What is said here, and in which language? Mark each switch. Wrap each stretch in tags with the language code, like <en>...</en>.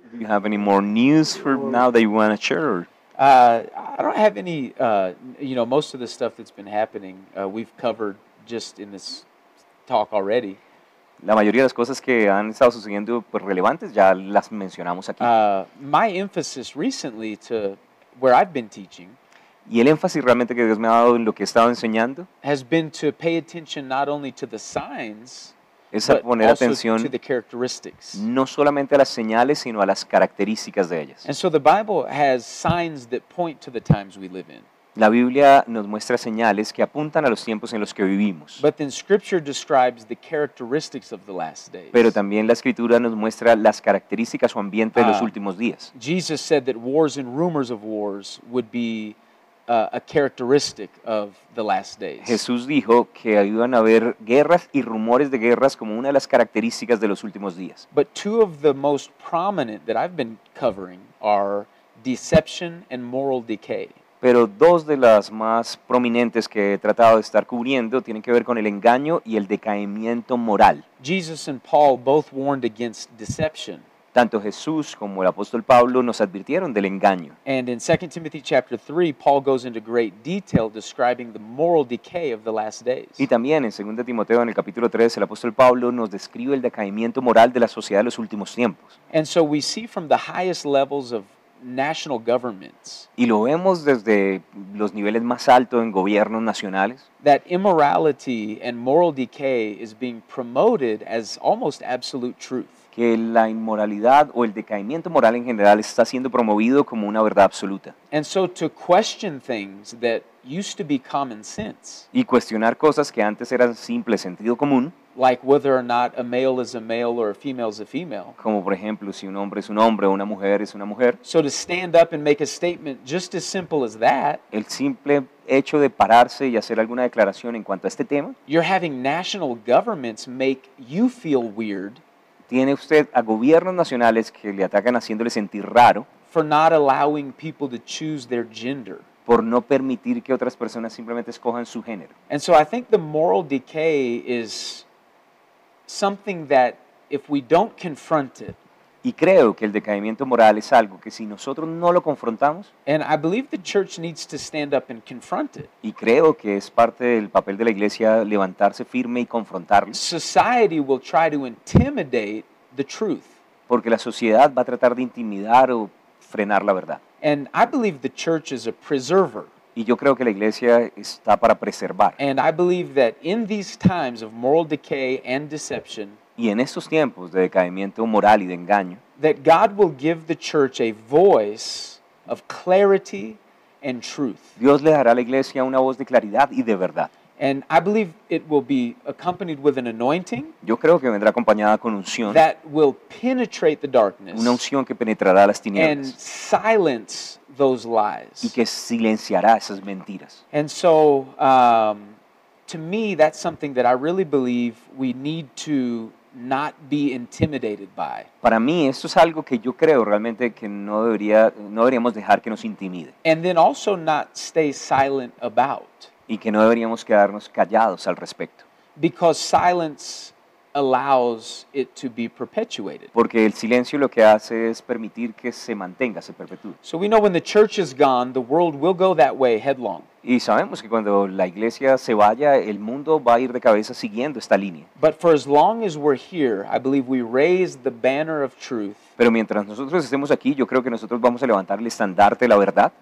<en>Do you have any more news for now that you want to share? I don't have any, most of the stuff that's been happening, we've covered just in this talk already.</en> <es>La mayoría de las cosas que han estado sucediendo pues relevantes ya las mencionamos aquí.</es> <en>My emphasis recently to where I've been teaching.</en> <es>Y el énfasis realmente que Dios me ha dado en lo que he estado enseñando.</es> <en>Has been to pay attention not only to the signs.</en> <es>Es poner atención no solamente a las señales, sino a las características de ellas.</es> <en>And so the Bible has signs that point to the times we live in.</en> <es>La Biblia nos muestra señales que apuntan a los tiempos en los que vivimos.</es> <en>But then Scripture describes the characteristics of the last days.</en> <es>Pero también la Escritura nos muestra las características o ambiente de los últimos días.</es> <en>Jesus said that wars and rumors of wars would be a characteristic of the last days.</en> <es>Jesús dijo que iban a haber guerras y rumores de guerras como una de las características de los últimos días.</es> <en>But two of the most prominent that I've been covering are deception and moral decay.</en> <es>Pero dos de las más prominentes que he tratado de estar cubriendo tienen que ver con el engaño y el decaimiento moral.</es> <en>Jesus and Paul both warned against deception.</en> <es>Tanto Jesús como el apóstol Pablo nos advirtieron del engaño.</es> <en>And in 2 Timothy chapter 3, Paul goes into great detail describing the moral decay of the last days.</en> <es>Y también en 2 Timoteo en el capítulo 3, el apóstol Pablo nos describe el decaimiento moral de la sociedad de los últimos tiempos.</es> <en>And so we see from the highest levels of national governments.</en> <es>Y lo vemos desde los niveles más altos en gobiernos nacionales.</es> <en>That immorality and moral decay is being promoted as almost absolute truth.</en> <es>Que la inmoralidad o el decaimiento moral en general está siendo promovido como una verdad absoluta.</es> <en>And so to question things that used to be common sense.</en> <es>Y cuestionar cosas que antes eran simple sentido común.</es> <en>Like whether or not a male is a male or a female is a female.</en> <es>Como por ejemplo si un hombre es un hombre o una mujer es una mujer.</es> <en>So to stand up and make a statement just as simple as that.</en> <es>El simple hecho de pararse y hacer alguna declaración en cuanto a este tema.</es> <en>You're having national governments make you feel weird.</en> <es>Tiene usted a gobiernos nacionales que le atacan haciéndole sentir raro.</es> <en>For not allowing people to choose their gender.</en> <es>Por no permitir que otras personas simplemente escojan su género.</es> <en>And so I think the moral decay is something that if we don't confront it.</en> <es>Y creo que el decaimiento moral es algo que si nosotros no lo confrontamos.</es> <en>And I believe the church needs to stand up and confront it.</en> <es>Y creo que es parte del papel de la iglesia levantarse firme y confrontarlo.</es> <en>Society will try to intimidate the truth.</en> <es>Porque la sociedad va a tratar de intimidar o frenar la verdad.</es> <en>And I believe the church is a preserver.</en> <es>Y yo creo que la iglesia está para preservar.</es> <en>And I believe that in these times of moral decay and deception.</en> <es>Y en estos tiempos de decaimiento moral y de engaño,</es> <en>that God will give the church a voice of clarity and truth.</en> <es>Dios le dará a la iglesia una voz de claridad y de verdad.</es> <en>And I believe it will be accompanied with an anointing.</en> <es>Yo creo que vendrá acompañada con unción.</es> <en>That will penetrate the darkness.</en> <es>Una unción que penetrará las tinieblas.</es> <en>And silence those lies.</en> <es>Y que silenciará esas mentiras.</es> <en>And so, to me, that's something that I really believe we need to not be intimidated by.</en> <es>Para mí, esto es algo que yo creo realmente que no deberíamos dejar que nos intimide.</es> <en>And then also not stay silent about.</en> <es>Y que no deberíamos quedarnos callados al respecto.</es> <en>Because silence allows it to be perpetuated.</en> <es>Porque el silencio lo que hace es permitir que se mantenga, se perpetúe.</es> <en>So we know when the church is gone, the world will go that way headlong.</en> <es>Y sabemos que cuando la iglesia se vaya, el mundo va a ir de cabeza siguiendo esta línea.</es> <en>But for as long as we're here, I believe we raise the banner of truth.</en> <es>Pero mientras nosotros estemos aquí, yo creo que nosotros vamos a levantar el estandarte de la verdad.</es>